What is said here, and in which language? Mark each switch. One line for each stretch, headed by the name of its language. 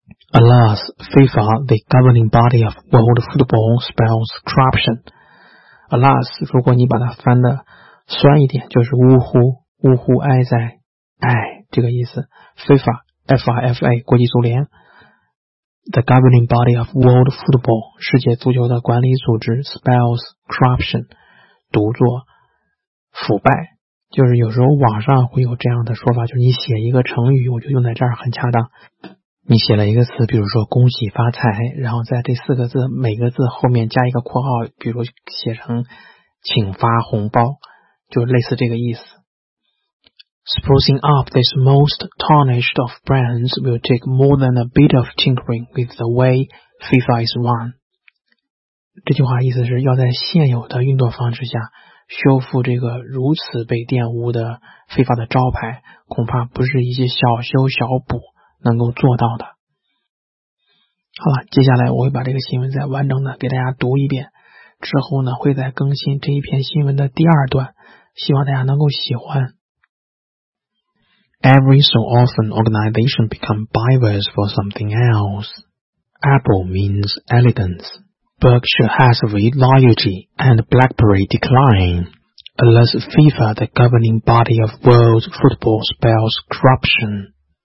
English: Alas, FIFA, the governing body of world football, spells corruption. Alas,
Chinese: 如果你把它翻的酸一点，就是呜呼呜呼哀哉哎这个意思。 FIFA, FIFA, 国际足联，
English: The governing body of world football,
Chinese: 世界足球的管理组织，
English: spells corruption,
Chinese: 读作腐败，就是有时候网上会有这样的说法，就是你写一个成语，我就用在这儿很恰当。你写了一个词，比如说恭喜发财，然后在这四个字每个字后面加一个括号，比如写成请发红包，就类似这个意思。
English: Sprucing up this most tarnished of brands will take more than a bit of tinkering with the way FIFA is run.
Chinese: 这句话意思是要在现有的运作方式下修复这个如此被玷污的FIFA的招牌，恐怕不是一些小修小补能够做到的。好了，接下来我会把这个新闻再完整的给大家读一遍，之后呢会再更新这一篇新闻的第二段，希望大家能够喜欢。
English: Every so often, organizations become buyers for something else. Apple means elegance. Berkshire Hathaway loyalty and BlackBerry decline. Unless FIFA, the governing body of world football, spells corruption.